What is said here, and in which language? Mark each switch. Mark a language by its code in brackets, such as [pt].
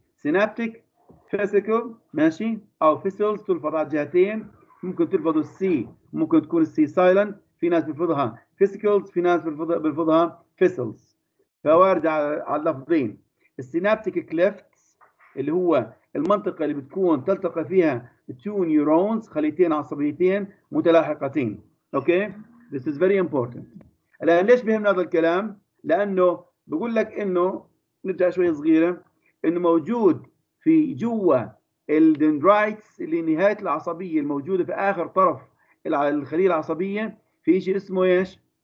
[ar] سينابتيك فيسيكل ماشي او فيسلز تلفظ على جهتين، ممكن تلفظ السي ممكن تكون السي سايلنت، في ناس بيلفظها فيسيكلز في ناس بيلفظها فيسلز، فوارد على اللفظين. السينابتيك كليفت اللي هو المنطقه اللي بتكون تلتقي فيها تو نيورونز، خليتين عصبيتين متلاحقتين. [en] Okay this is very important. [ar] الان ليش بهمنا هذا الكلام؟ لانه بقول لك انه نرجع شوي صغيره، انه موجود في جوا الدندرايتس اللي نهايه العصبيه الموجوده في اخر طرف الخليه العصبيه في شيء اسمه ايش؟